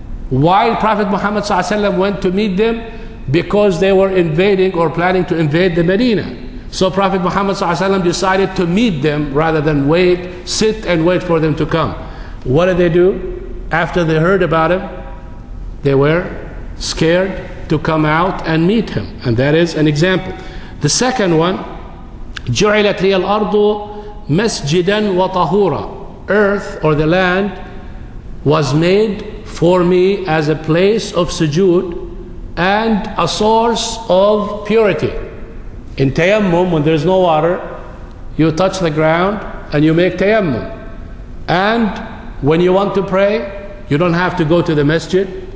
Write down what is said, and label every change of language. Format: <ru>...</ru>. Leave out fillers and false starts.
<en>While Prophet Muhammad ﷺ went to meet them, because they were invading or planning to invade the Medina. So Prophet Muhammad ﷺ decided to meet them rather than wait, sit and wait for them to come. What did they do? After they heard about him, they were scared to come out and meet him. And that is an example. The second one,</en> <ar>جُعِلَتْ لِيَ الْأَرْضُ مَسْجِدًا وَطَهُورًا.</ar> <en>Earth or the land was made for me as a place of sujood and a source of purity. In tayammum, when there's no water, you touch the ground and you make tayammum. And when you want to pray, you don't have to go to the masjid.</en>